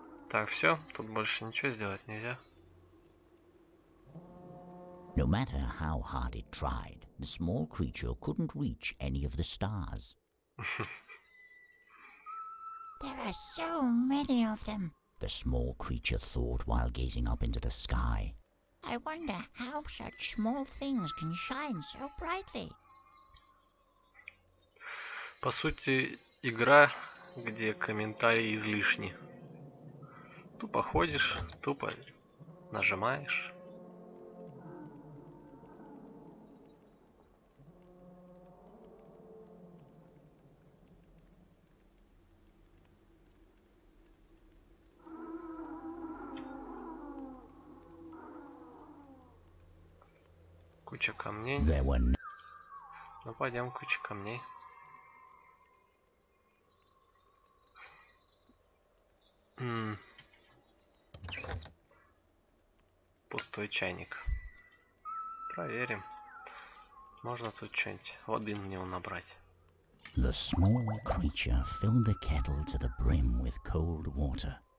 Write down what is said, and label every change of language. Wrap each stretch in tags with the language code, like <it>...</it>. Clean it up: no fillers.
<ru>Так, все, тут больше ничего сделать нельзя.</ru> <en>No matter how hard it tried, the small creature couldn't reach any of the stars. There are so many of them, the small creature thought while gazing up into the sky. I wonder how such small things can shine so brightly.</en> <ru>По сути, игра, где комментарии излишни. Тупо ходишь, тупо нажимаешь. Куча камней. Ну пойдем, куча камней. Пустой чайник. Проверим. Можно тут что-нибудь воды мне набрать.</ru> <en>The small creature filled the kettle to the brim with cold water.</en>